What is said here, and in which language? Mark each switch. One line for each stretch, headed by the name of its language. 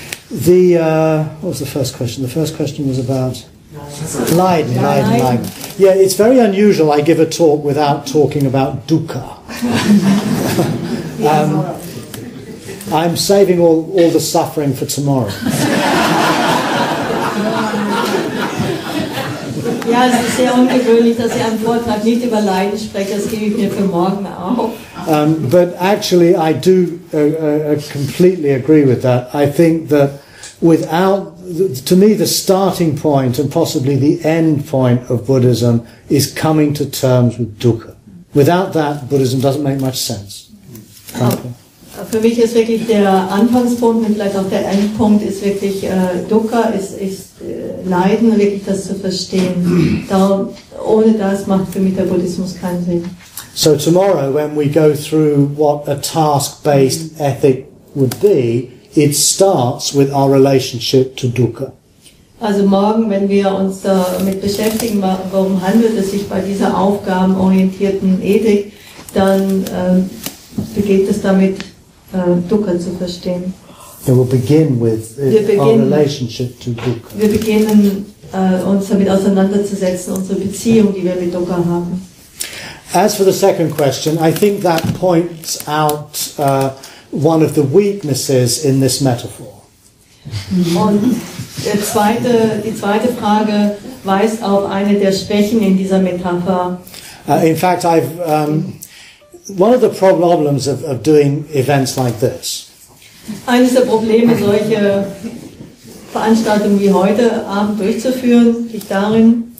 English: What was the first question? The first question was about... Leiden. Yeah, it's very unusual I give a talk without talking about dukkha. I'm saving all the suffering for tomorrow.
German: Ja, es ist sehr ungewöhnlich, dass ich am Vortrag nicht über Leiden spreche. Das gebe ich mir für morgen auf.
English: But actually, I do completely agree with that. I think that without... To me, the starting point and possibly the end point of Buddhism is coming to terms with dukkha. Without that, Buddhism doesn't make much sense.
German: Für mich ist wirklich der Anfangspunkt und vielleicht auch der Endpunkt ist wirklich dukkha, ist Leiden, wirklich das zu verstehen. Ohne das macht für mich der Buddhismus keinen Sinn.
English: So tomorrow, when we go through what a task-based ethic would be, it starts with our relationship to dukkha.
German: Also morgen, wenn wir uns damit beschäftigen, warum handelt es sich bei dieser aufgabenorientierten Ethik, dann beginnt es damit, dukkha zu verstehen.
English: It will begin with our relationship to dukkha.
German: Wir beginnen uns damit auseinanderzusetzen, unsere Beziehung, die wir mit dukkha haben.
English: As for the second question, I think that points out one of the weaknesses in this metaphor.
German: Und die zweite Frage weist auf eine der Schwächen in dieser Metapher.
English: In fact, one of the problems of doing events like this.
German: Eines der Probleme, solche Veranstaltungen wie heute Abend durchzuführen, liegt darin.